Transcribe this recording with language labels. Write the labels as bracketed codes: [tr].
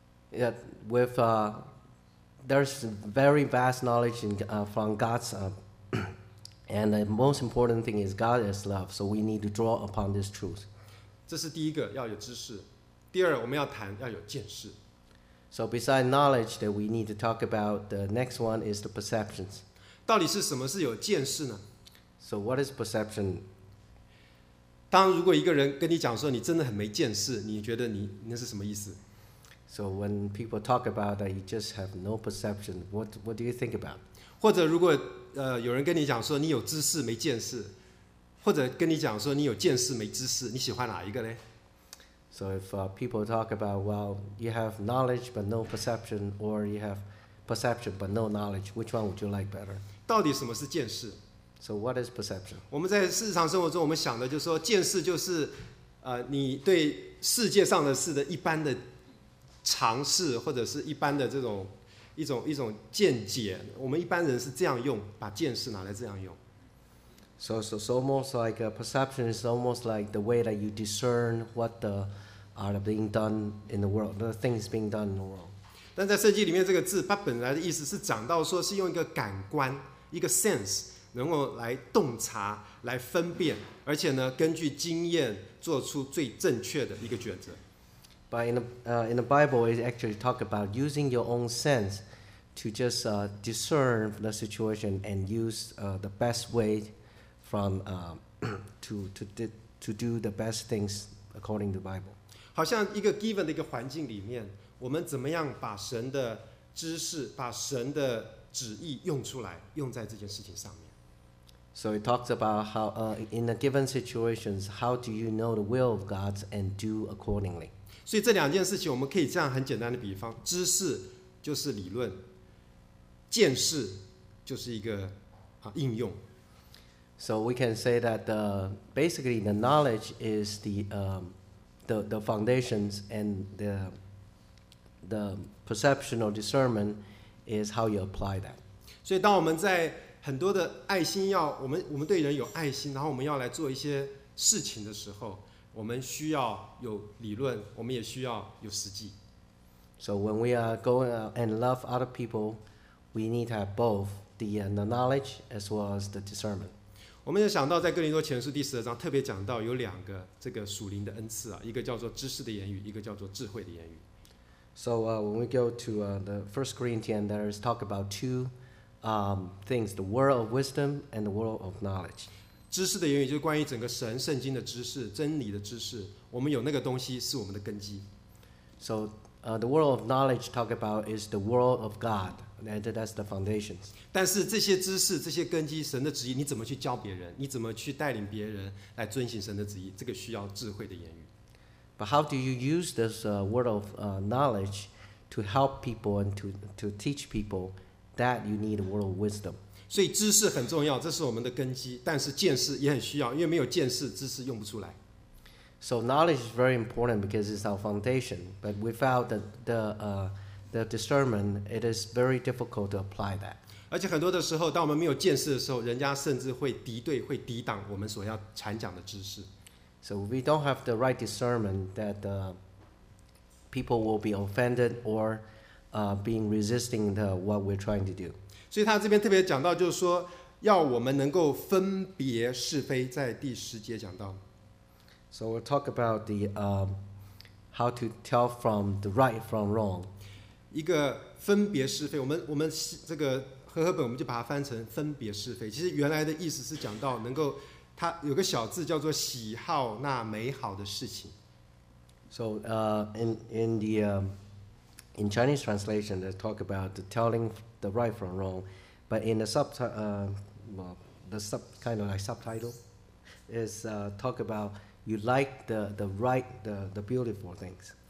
[en] Yeah, with there's very vast knowledge in, from God's, and the most important thing is God is love. So we need to draw upon this truth. [zh] 这是第一个要有知识。第二，我们要谈要有见识。 [en] So besides knowledge that we need to talk about, the next one is the perceptions. [zh] 到底是什么是有见识呢？ [en] So what is perception? [zh] 当如果一个人跟你讲说你真的很没见识，你觉得你那是什么意思？ [en] So when people talk about that you just have no perception, what do you think about? [zh] 或者如果有人跟你讲说你有知识没见识，或者跟你讲说你有见识没知识，你喜欢哪一个呢？ [en] So if people talk about, well, you have knowledge but no perception, or you have perception but no knowledge, which one would you like better? [zh] 到底什么是见识？ [en] So what is perception? [zh] 我们在日常生活中我们想的就是说见识就是你对世界上的事的一般的尝试或者是一般的这种一种见解，我们一般人是这样用，把见识拿来这样用。 [en] So almost like a perception is almost like the way that you discern what the are being done in the world, the things being done in the world. [zh] 但在圣经里面，这个字它本来的意思是讲到说是用一个感官，一个 sense 能够来洞察、来分辨，而且呢，根据经验做出最正确的一个抉择。 [en] But in the Bible, it actually talk about using your own sense to just discern the situation and use the best way from to do the best things according to the Bible. [zh] 好像一个 given 的一个环境里面，我们怎么样把神的知识、把神的旨意用出来，用在这件事情上面。 [en] So it talks about how in a given situations, how do you know the will of God and do accordingly? [zh] 所以这两件事情，我们可以这样很简单的比方：知识就是理论，见识就是一个应用。 [en] So we can say that basically the knowledge is the foundations and the perception or discernment is how you apply that. [zh] 所以当我们在很多的爱心要我们对人有爱心，然后我们要来做一些事情的时候，我们需要有理论，我们也需要有实际。 [en] So when we are going out and love other people, we need to have both the knowledge as well as the discernment. [zh] 我们就想到在哥林多前书第十二章特别讲到有两个这个属灵的恩赐啊，一个叫做知识的言语，一个叫做智慧的言语。 [en] So when we go to the First Corinthians, there is talk about two things: the word of wisdom and the word of knowledge. [zh] 知识的言语就是关于整个神圣经的知识、真理的知识。我们有那个东西是我们的根基。 [en] So the word of knowledge talk about is the word of God. And that's the foundations. [zh] 但是这些知识、这些根基、神的旨意，你怎么去教别人？你怎么去带领别人来遵行神的旨意？这个需要智慧的言语。 [en] But how do you use this word of knowledge to help people and to teach people that you need a word of wisdom? [zh] 所以知识很重要，这是我们的根基。但是见识也很需要，因为没有见识，知识用不出来。 [en] So knowledge is very important because it's our foundation. But without the discernment, it is very difficult to apply that. [zh] 而且很多的时候，当我们没有见识的时候，人家甚至会敌对、会抵挡我们所要传讲的知识。 [en] So we don't have the right discernment that people will be offended or being resisting the what we're trying to do. [zh] 所以他这边特别讲到，就是说要我们能够分别是非，在第十节讲到。 [en] So we'll talk about the how to tell from the right from wrong. [zh] 一个分别是非，我们这个和合本我们就把它翻成分别是非。其实原来的意思是讲到能够，它有个小字叫做喜好那美好的事情。 [en] So in Chinese translation, they talk about the telling the right from wrong, but in the subtitle is talk about you like the right the beautiful things.